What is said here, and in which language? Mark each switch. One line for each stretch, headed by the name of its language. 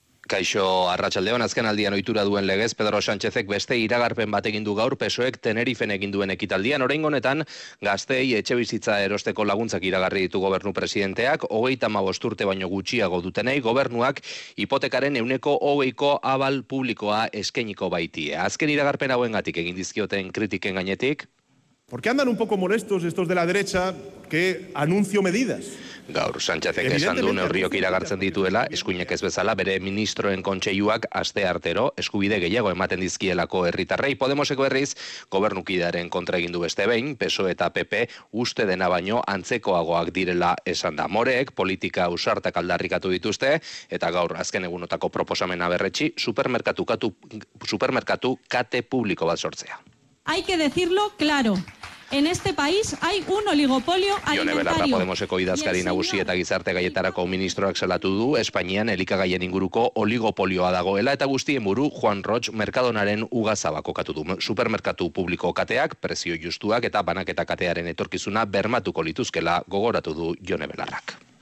Basque: Kaixo Arratsaldeon, azken aldian ohitura duen legez Pedro Sánchezek beste iragarpen bat egin du gaur PSOEk Tenerifen egin duen ekitaldian. Oraingo honetan gazteei etxebizitza erosteko laguntzak iragarri ditu gobernu presidenteak 35 urte baino gutxiago dutenei gobernuak hipotekaren 120%-ko abal publikoa eskainiko baitie. Azken iragarpen hauengatik egin dizkioten kritiken gainetik,
Spanish: porque andan un poco molestos estos de la derecha que anuncio medidas.
Basque: Gaur Sánchezek esan du neurriok iragartzen dituela, eskuinek ez bezala bere ministroen kontseiluak aste artero eskubide gehiago ematen dizkielako herritarrei. Podemoseko berriz gobernukidearen kontra egin du beste behin, PSOE eta PP uste dena baino antzekoagoak direla esan da. Moreek politika ausartak aldarrikatu dituzte eta gaur azken egunotako proposamena berretsi supermerkatu kate publiko bat sortzea.
Spanish: Hay que decirlo claro. En este país hay un oligopolio alimentario. Jone Belarra
Basque: Podemoseko idazkari nagusi eta gizarte gaietarako ministroak salatu du Espainian elikagaien inguruko oligopolioa dagoela eta guztien buru Juan Roig Mercadonaren ugazaba kokatu du. Supermerkatu publiko kateak prezio justuak eta banaketa katearen etorkizuna bermatuko lituzkela gogoratu du Jone Belarrak.